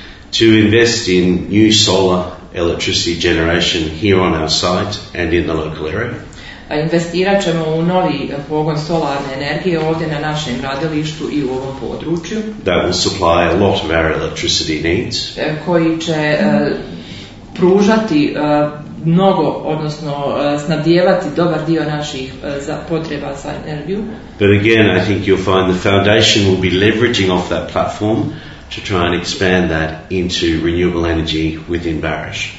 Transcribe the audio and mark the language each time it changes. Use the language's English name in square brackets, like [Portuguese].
[English] To invest in new solar electricity generation here on our site and in the local area. [Bosnian] Investirat ćemo u novi pogon solarne energije ovdje na našem radilištu i u ovom području. [English] That will supply a lot of our electricity needs. [Bosnian] Koji će pružati mnogo, odnosno snabdijevati dobar dio naših potreba za energiju. [English] But again, I think you'll find the foundation will be leveraging off that platform to try and expand that into renewable energy within Barish.